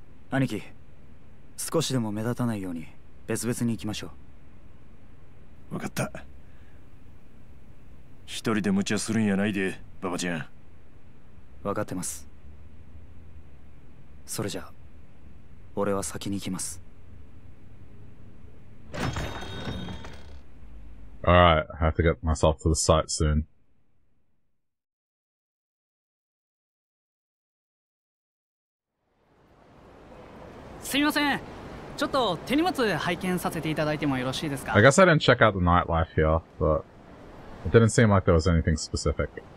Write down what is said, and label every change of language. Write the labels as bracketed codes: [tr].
[ja] 兄貴、少しでも目立たないように別々に行きましょう。わかった。一人で無茶するんやないで、ババちゃん。わかってます。それじゃ、俺は先に行きます。 [en] Alright, I have to get myself to the site soon. [ja] すみません。ちょっと手荷物拝見させていただいてもよろしいですか? [en] I guess I didn't check out the nightlife here, but it didn't seem like there was anything specific.